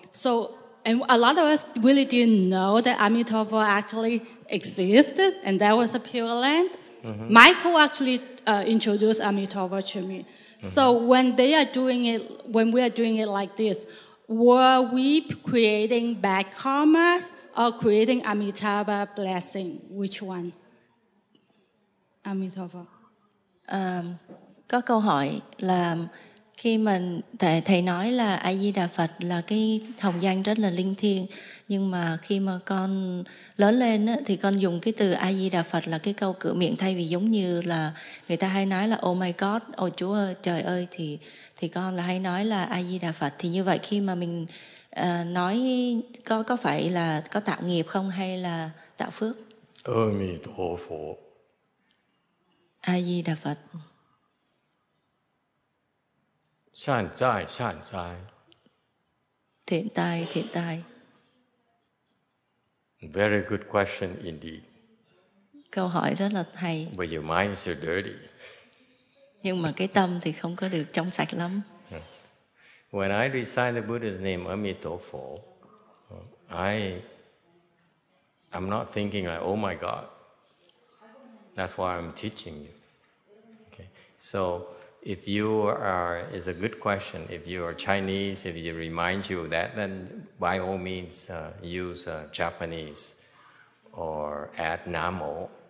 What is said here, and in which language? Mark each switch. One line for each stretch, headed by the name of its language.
English: So, and a lot of us really didn't know that Amitabha actually existed, and that was a Pure Land. Mm-hmm. Michael actually introduced Amitabha to me. Mm-hmm. So when they are doing it, when we are doing it like this, were we creating bad karma or creating Amitabha blessing? Which one? Amitabha.
Vietnamese: Có câu hỏi là khi mình thầy nói là A Di Đà Phật là cái hồng danh rất là linh thiêng, nhưng mà khi mà con lớn lên á thì con dùng cái từ A Di Đà Phật là cái câu cửa miệng thay vì giống như là người ta hay nói là
English: Oh my God,
Vietnamese: ôi Chúa ơi, trời ơi, thì con là hay nói là A Di Đà Phật. Thì như vậy khi mà mình nói có phải là có tạo nghiệp không hay là tạo phước? A Di Đà Phật. A Di Đà Phật. Sàn trai, sàn trai. Thiện tai, thiện tai.
English: Very good question indeed.
Vietnamese: Câu hỏi rất là hay.
English: But your mind is so dirty.
Vietnamese: Nhưng mà cái tâm thì không có được trong sạch lắm.
English: When I recite the Buddha's name, Amitabha, I'm not thinking like, oh my God, that's why I'm teaching you. Okay. So if you are, it's a good question, if you are Chinese, if it reminds you of that, then by all means use Japanese or add Namo.